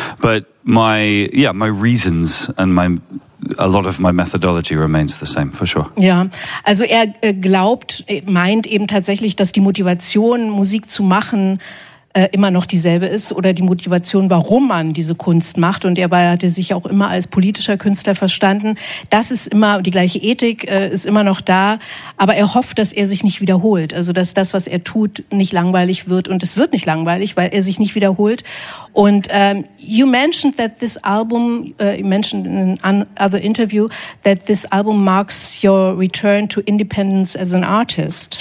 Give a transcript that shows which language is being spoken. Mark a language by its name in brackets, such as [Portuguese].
[English] But my reasons and my... A lot of my methodology remains the same, for sure. [German] Ja, also er glaubt, meint eben tatsächlich, dass die Motivation, Musik zu machen, immer noch dieselbe ist oder die Motivation, warum man diese Kunst macht. Und er hatte sich auch immer als politischer Künstler verstanden. Das ist immer, die gleiche Ethik ist immer noch da. Aber er hofft, dass er sich nicht wiederholt. Also, dass das, was er tut, nicht langweilig wird. Und es wird nicht langweilig, weil er sich nicht wiederholt. Und [English] you mentioned that this album, you mentioned in another interview, that this album marks your return to independence as an artist.